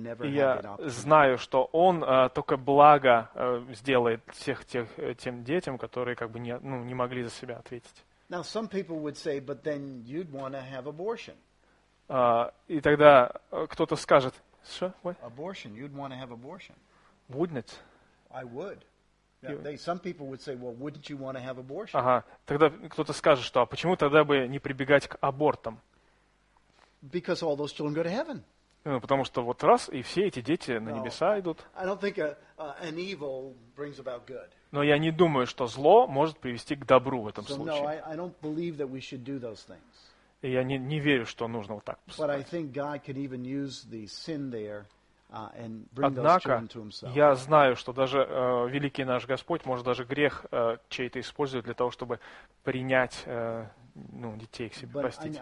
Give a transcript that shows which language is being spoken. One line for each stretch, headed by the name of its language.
Russian: я знаю, что Он только благо сделает всех тем детям, которые как бы не могли за себя ответить.
English: Now some people would say, but then you'd want to have abortion.
Russian: И тогда кто-то скажет, что?
English: Abortion. You'd want to have abortion. Wouldn't it? I would. Some people would say, well, wouldn't you want to have abortion?
Russian: Ага. Тогда кто-то скажет, что, а почему тогда бы не прибегать к абортам?
English: Because all those children go to heaven.
Russian: Ну, потому что вот раз, и все эти дети на небеса идут.
English: I don't think an evil brings about good.
Russian: Но я не думаю, что зло может привести к добру в этом случае.
English: So, no, I don't believe that we should do those things.
Russian: И я не верю, что нужно вот так поступать. Однако, я знаю, что даже великий наш Господь может даже грех чей-то использовать для того, чтобы принять детей к себе, простить.